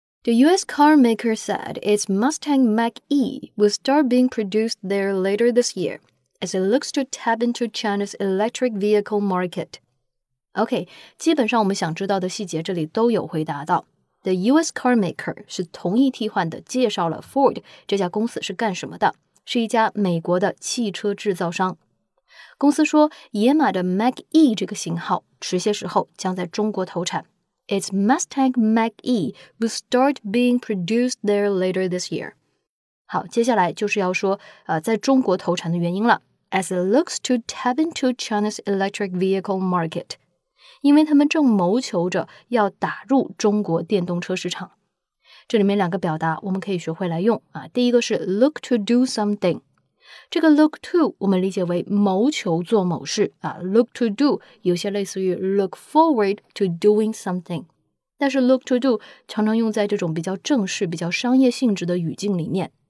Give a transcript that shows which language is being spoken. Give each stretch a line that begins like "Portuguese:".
English: The US car maker said its Mustang Mach-E will start being produced there later this year as it looks to tap into China's electric vehicle market.
Chinese: OK, 基本上我们想知道的细节这里都有回答到。
English: The US car maker
Chinese: 是同义替换的介绍了 Ford 这家公司是干什么的，是一家美国的汽车制造商。公司说野马的 Mach-E 这个型号迟些时候将在中国投产。
English: Its Mustang Mach-E will start being produced there later this year.
Chinese: 好，接下来就是要说在中国投产的原因了。
English: As it looks to tap into China's electric vehicle market.
Chinese: 因为他们正谋求着要打入中国电动车市场。这里面两个表达我们可以学会来用啊。第一个是
English: look to do something。
Chinese: 这个 look to 我们理解为谋求做某事啊 ，look to do 有些类似于
English: look forward to doing something，
Chinese: 但是 look to do 常常用在这种比较正式、比较商业性质的语境里面。